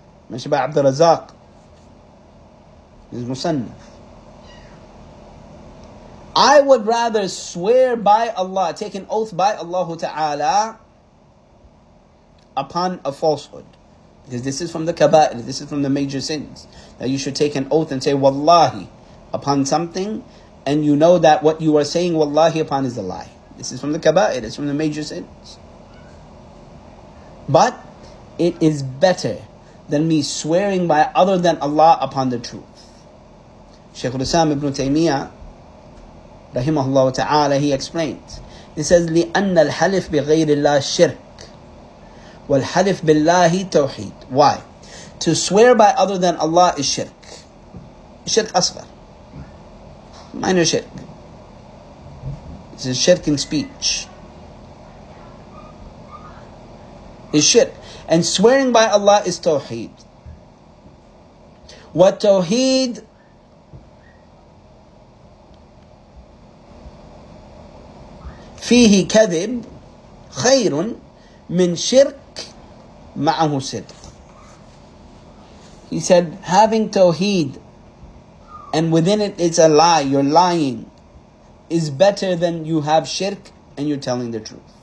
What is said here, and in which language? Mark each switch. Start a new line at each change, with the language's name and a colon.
Arabic: من شبه عبد الرزاق المصنف.
English: I would rather swear by Allah, take an oath by Allah Ta'ala upon a falsehood. Because this is from the kaba'il, this is from the major sins. That you should take an oath and say wallahi upon something, and you know that what you are saying wallahi upon is a lie. This is from the kaba'il, it's from the major sins. But it is better than me swearing by other than Allah upon the truth. Shaykh al-Islam ibn Taymiyyah, rahimahullah ta'ala, he explains. He says,
Arabic: لِأَنَّ الْحَلِفْ بِغَيْرِ اللَّهِ شِرْكِ وَالْحَلِفْ بِاللَّهِ تَوْحِيدْ.
English: Why? To swear by other than Allah is shirk. Shirk asghar. Minor shirk. It's a shirk in speech. It's shirk. And swearing by Allah is tawheed. What tawheed
Arabic: فيه كذب خير من شرك معه صدق.
English: He said, having tawheed and within it it's a lie, you're lying, is better than you have shirk and you're telling the truth.